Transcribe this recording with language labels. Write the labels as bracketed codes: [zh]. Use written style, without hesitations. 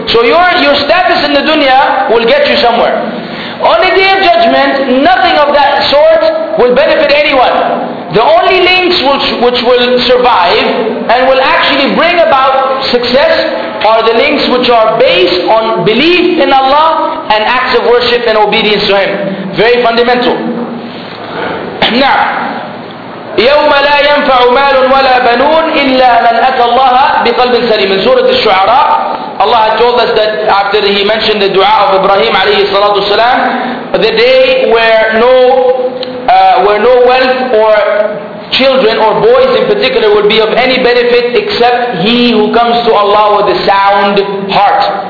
[en] So your status in the dunya will get you somewhere. On the day of judgment, nothing of that sort will benefit anyone. The only links which will survive and will actually bring about success are the links which are based on belief in Allah and acts of worship and obedience to Him. Very fundamental. [ar] Now, يوم لا ينفع مال ولا بنون إلا من أتى الله بقلب سليم. [en] In Surah الشعراء, Allah had told us that after He mentioned the dua of Ibrahim [ar] عليه الصلاة والسلام, [en] the day where no wealth or children or boys in particular would be of any benefit except he who comes to Allah with a sound heart.